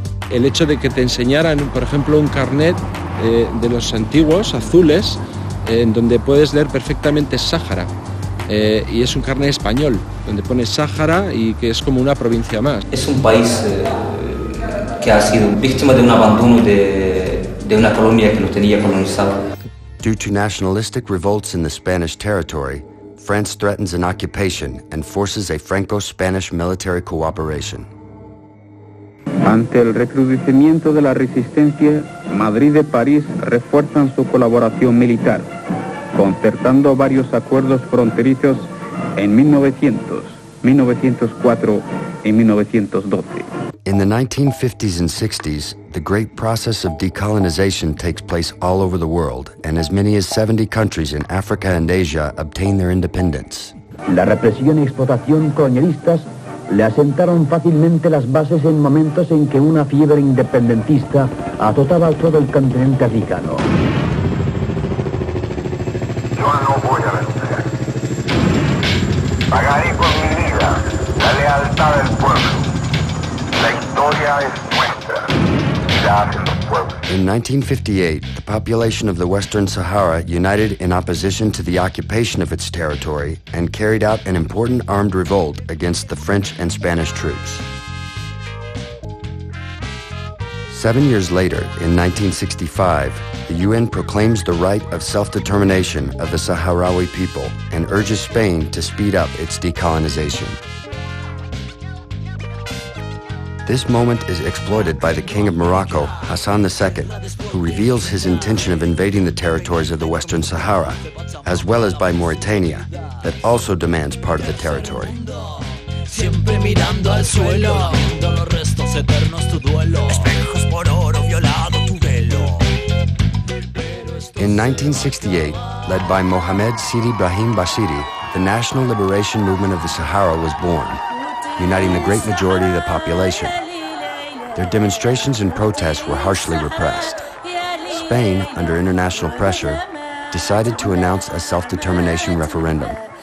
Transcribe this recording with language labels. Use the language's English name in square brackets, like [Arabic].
[Spanish] El hecho de que te enseñaran, por ejemplo, un carnet de los antiguos, azules, en donde puedes leer perfectamente Sáhara, y es un carnet español, donde pone Sáhara y que es como una provincia más. Es un país que ha sido víctima de un abandono de una colonia que lo tenía colonizado. [English] Due to nationalistic revolts in the Spanish territory, France threatens an occupation and forces a Franco-Spanish military cooperation. [Spanish] Ante el recrudecimiento de la resistencia, Madrid y París refuerzan su colaboración militar, concertando varios acuerdos fronterizos en 1900, 1904 y 1912. [English] In the 1950s and 60s, the great process of decolonization takes place all over the world, and as many as 70 countries in Africa and Asia obtain their independence. [Spanish] La represión y explotación colonialistas le asentaron fácilmente las bases en momentos en que una fiebre independentista azotaba todo el continente africano. Yo no voy a vencer. Pagaré con mi vida la lealtad del pueblo. La historia es nuestra y la hacen los pueblos. [English] In 1958, the population of the Western Sahara united in opposition to the occupation of its territory and carried out an important armed revolt against the French and Spanish troops. 7 years later, in 1965, the UN proclaims the right of self-determination of the Sahrawi people and urges Spain to speed up its decolonization. This moment is exploited by the King of Morocco, Hassan II, who reveals his intention of invading the territories of the Western Sahara, as well as by Mauritania, that also demands part of the territory. [Spanish] Siempre mirando al suelo, viendo los restos eternos tu duelo, espejos por oro violado tu velo. [English] In 1968, led by Mohamed Sidi Brahim Bashiri, the National Liberation Movement of the Sahara was born, uniting the great majority of the population. Their demonstrations and protests were harshly repressed. Spain, under international pressure, decided to announce a self-determination referendum.